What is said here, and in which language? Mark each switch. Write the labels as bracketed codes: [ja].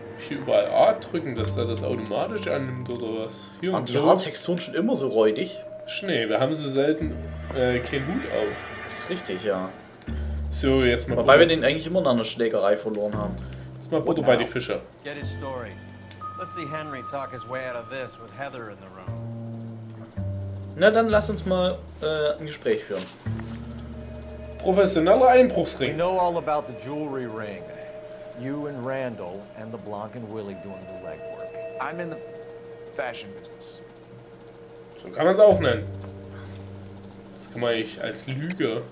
[de] Überall A drücken, dass er das automatisch annimmt oder was? Hier waren die Haartexturen schon immer so räudig? Schnee, wir haben so selten keinen Hut auf. Das ist richtig, ja. So, jetzt mal. Wobei wir den eigentlich immer nach einer Schlägerei verloren haben. Jetzt mal Butter bei die Fische. [en] Get his story. Let's see Henry talk his way out of this with Heather in the room. [de] Na dann lass uns mal ein Gespräch führen. Professioneller Einbruchsring. [en] We know all about the jewelry ring. You and Randall and the Blanc and Willie doing the legwork. I'm in the fashion business. [de] So kann man es auch nennen. Das kann man ich als Lüge.